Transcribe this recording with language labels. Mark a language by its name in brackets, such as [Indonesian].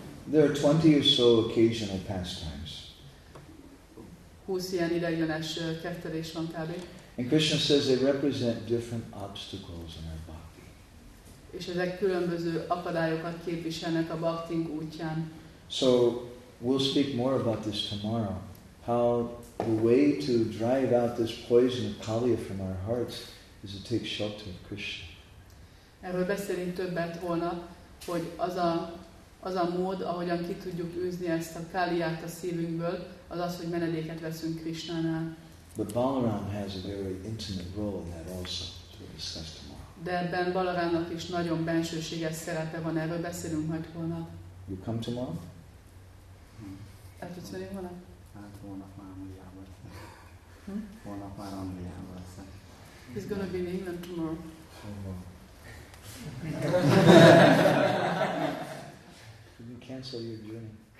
[English] There are 20 or so occasional pastimes. [Hungarian] 20 ilyen ideiglenes kertelés van kb. [English] And Krishna says they represent different obstacles in our bhakti. [Hungarian] És ezek különböző akadályokat képviselnek a bhaktink útján. [English] So we'll speak more about this tomorrow. How the way to drive out this poison of Kaliya from our hearts is to take shelter of Krishna. [Hungarian] Erről beszélünk többet holnap, hogy az a mód, ahogyan ki tudjuk űzni ezt a Kaliyát a szívünkből, az, hogy menedéket veszünk Krishnánál. [English] But Balaram has a very intimate role in that also. We'll discuss tomorrow. [Hungarian] De ebben Balarámnak is nagyon bensőséges szerepe van, erről beszélünk majd holnap. [English] You come tomorrow? [Hungarian] El tudsz menni holnap? Hát holnap már Angliába leszek. Holnap már Angliába leszek. [English] He's gonna be in England tomorrow. You can cancel your journey.